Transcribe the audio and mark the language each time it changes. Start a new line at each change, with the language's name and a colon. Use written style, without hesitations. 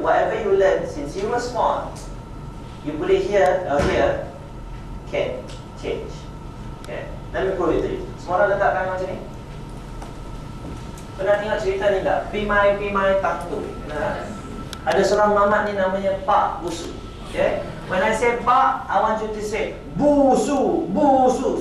English: Whatever you learn since you were small, you put it here or here, can change. Okay? Let me prove it to you.
Malay: Semua orang letakkan macam ni? Pernah tengok cerita ni tak? Pimai Tangtu. Nah. Ada seorang mamat ni namanya Pak Busu.
English: Okay? When I say Pak, I want you to say Busu.